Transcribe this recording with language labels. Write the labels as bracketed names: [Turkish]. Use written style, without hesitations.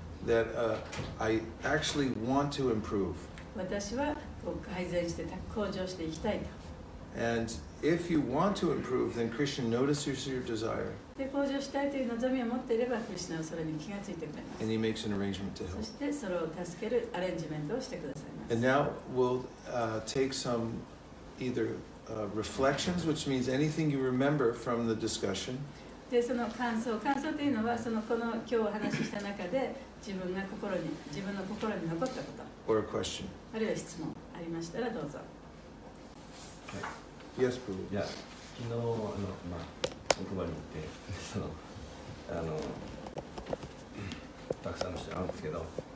[English] That I actually want to improve. [Japanese] 私は改善して向上していきたいと。 [English] And if you want to improve, then Krishna notices your desire. [Japanese] で向上したいという望みを持っていれば、クリシナはそれに気がついてくれます。 [English] And he makes an arrangement to help. [Japanese] そしてそれを助けるアレンジメントをしてくださいます。 [English] And now we'll take some either reflections, which means anything you remember from the discussion. [Japanese] でその感想、感想というのはそのこの今日お話しした中で。自分の心に残ったこと。 [English] Or a question. [Japanese] あるいは質問ありましたらどうぞ。 [English] Okay. Yes, Prabhu. Yeah. [Japanese] 昨日あのまあお配りに行ってそのあのたくさんの人に会うんですけど。